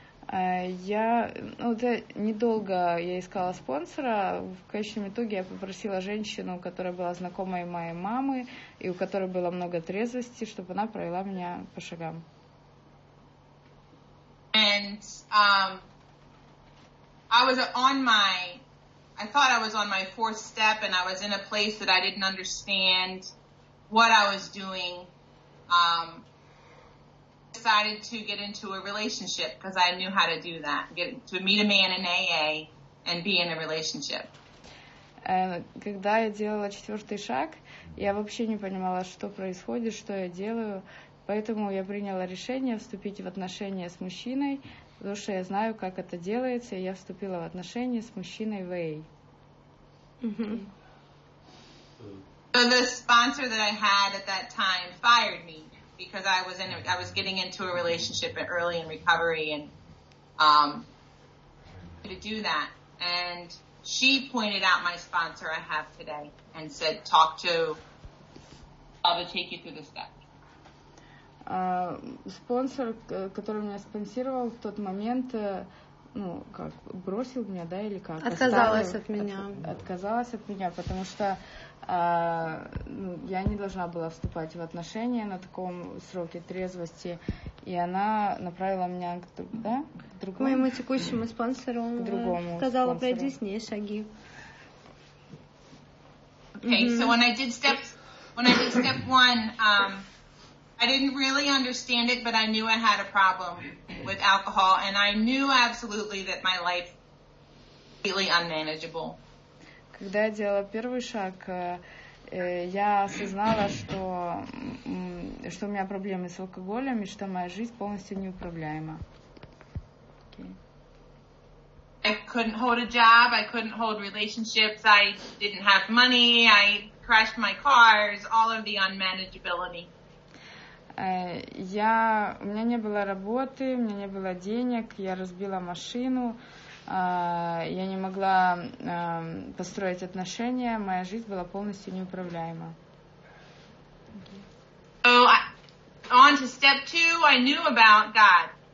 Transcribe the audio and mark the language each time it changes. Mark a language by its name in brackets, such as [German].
[Russian] Недолго я искала спонсора. В конечном итоге я попросила женщину, которая была знакомой моей мамы и у которой было много трезвости, чтобы она провела меня по шагам. [English] And I thought I was on my fourth step, and I was in a place that I didn't understand what I was doing. Decided to get into a relationship because I knew how to do that. Get to meet a man in AA and be in a relationship. [Russian] Когда я делала четвертый шаг, я вообще не понимала, что происходит, что я делаю. Поэтому я приняла решение вступить в отношения с мужчиной. Потому что я знаю, как это делается, и я вступила в отношения с мужчиной Вэй. [English] So the sponsor that I had at that time fired me because I was getting into a relationship early in recovery and to do that. And she pointed out my sponsor I have today and said, talk to, I'll take you through the steps. [Russian] спонсор, который меня спонсировал в тот момент, ну, как, бросил меня, да, или как? Отказалась от меня, потому что я не должна была вступать в отношения на таком сроке трезвости, и она направила меня к другому. Моему текущему спонсору. К другому сказала, пройди с ней шаги. [English] Okay, so when I did step one, I didn't really understand it, but I knew I had a problem with alcohol, and I knew absolutely that my life was completely unmanageable. [Russian] Когда я делала первый шаг, я осознала, что у меня проблемы с алкоголем и что моя жизнь полностью неуправляема. [English] I couldn't hold a job, I couldn't hold relationships, I didn't have money, I crashed my cars, all of the unmanageability. [Russian] У меня не было работы, у меня не было денег, я разбила машину, я не могла построить отношения, моя жизнь была полностью неуправляема. [English] On to step two, I knew about God.